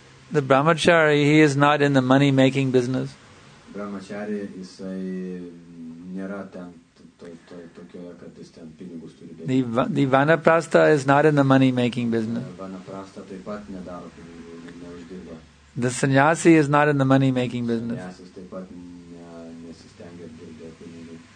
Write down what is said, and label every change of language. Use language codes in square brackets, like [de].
[en] The brahmachari, he is not in the money-making business. [lt] Brahmachari, jisai nėra ten tokioje, kad jis ten pinigus turi. [en] The vanaprastha is not in the money-making business. [lt] Vanaprastha taip pat nedaro pinigų, neuždirba. [en] The sannyasi is not in the money-making business. [lt] Sannyasis taip pat nesistengia dirbti pinigų.